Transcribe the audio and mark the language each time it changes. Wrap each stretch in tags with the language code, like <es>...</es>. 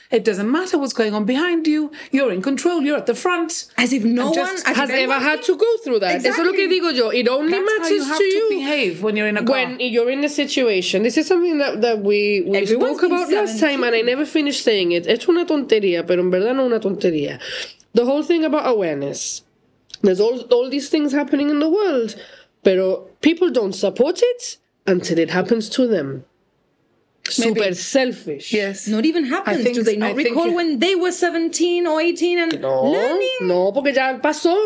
<en>It doesn't matter what's going on behind you. You're in control. You're at the front. As if no one has ever had to go through that. Exactly.</en> <es>Eso es lo que digo yo.</es> <en>It only matters to you. That's how you have to behave when you're in a car. When you're in a situation. This is something that we spoke about last time and I never finished saying it.</en> <es>Es una tontería, pero en verdad no una tontería.</es> <en>The whole thing about awareness. There's all these things happening in the world, pero people don't support it. Until it happens to them. Maybe. Super selfish. Yes. Not even happens. Think, do they not recall when they were 17 or 18 and learning?</en> <es>No, porque ya pasó.</es>